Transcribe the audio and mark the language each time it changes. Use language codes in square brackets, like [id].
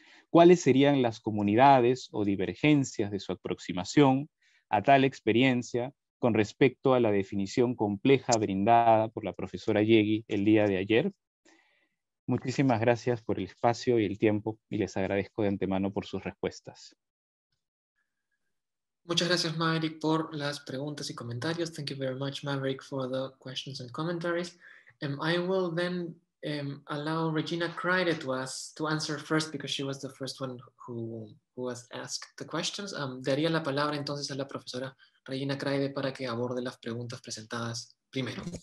[es] ¿Cuáles serían las comunidades o divergencias de su aproximación a tal experiencia con respecto a la definición compleja brindada por la profesora Yegi el día de ayer? Muchísimas gracias por el espacio y el tiempo y les agradezco de antemano por sus respuestas. Muchas gracias, Maverick, por las preguntas y comentarios. [en] Thank you very much, Maverick, for the questions and commentaries. I will then allow Regina Kreide to answer first because she was the first one who was asked the questions. [es] Daría la palabra entonces a la profesora Regina Kreide para que aborde las preguntas presentadas primero.